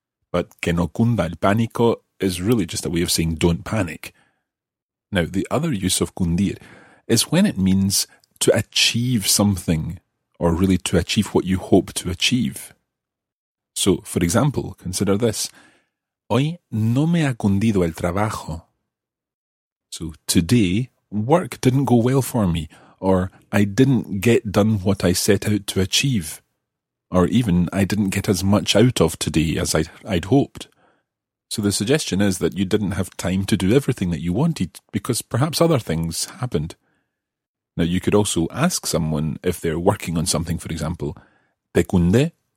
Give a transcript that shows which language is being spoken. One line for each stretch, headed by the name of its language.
English: But
Spanish: que no cunda el pánico
English: is really just a way of saying don't panic. Now, the other use of cundir is when it means to achieve something, or really to achieve what you hope to achieve. So, for example, consider this.
Spanish: Hoy no me ha cundido el trabajo.
English: So, today, work didn't go well for me, or I didn't get done what I set out to achieve, or even I didn't get as much out of today as I'd hoped. So the suggestion is that you didn't have time to do everything that you wanted, because perhaps other things happened. Now, you could also ask someone if they're working on something, for example,
Spanish: ¿Te cunde?